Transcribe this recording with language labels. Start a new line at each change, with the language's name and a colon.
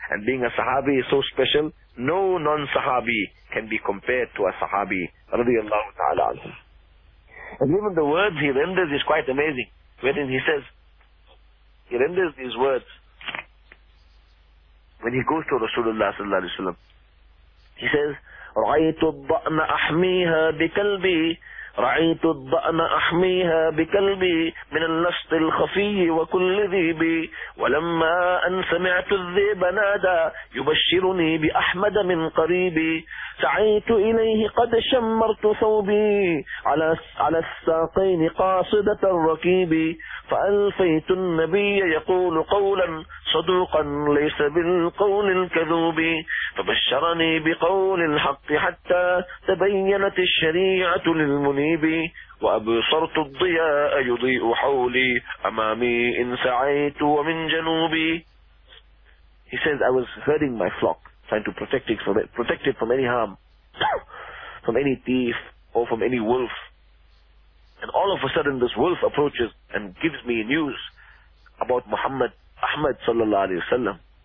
English: And being a Sahabi is so special, no non-Sahabi can be compared to a Sahabi radiyallahu ta'ala anhu. And even the words he renders is quite amazing, wherein he says, he renders these words when he goes to Rasulullah sallallahu alayhi wa sallam. He says,
Arabic: رَعَيْتُ الضَّأْنَ أَحْمِيهَا بِكَلْبِي رَعَيْتُ الضَّأْنَ أَحْمِيهَا بِكَلْبِي مِنَ النَّسْطِ الْخَفِيِّ وَكُلِّ ذِيبِي وَلَمَّا أَنْ سَمِعْتُ الذِّيبَ نَادَى يُبَشِّرُنِي بِأَحْمَدَ مِنْ قَرِيبِي سعيت إليه قد شمرت ثوبي على الساقين قاصدة الركيب فألفيت النبي يقول قولا صدوقا ليس بالقول الكذوب فبشرني بقول الحق حتى تبينت الشريعة للمنيب وأبصرت الضياء يضيء حولي أمامي إن سعيت ومن جنوبي.
English: He says, I was herding my flock, trying to protect it from any harm, from any thief or from any wolf. And all of a sudden this wolf approaches and gives me news about Muhammad, Ahmad sallallahu alayhi wa sallam.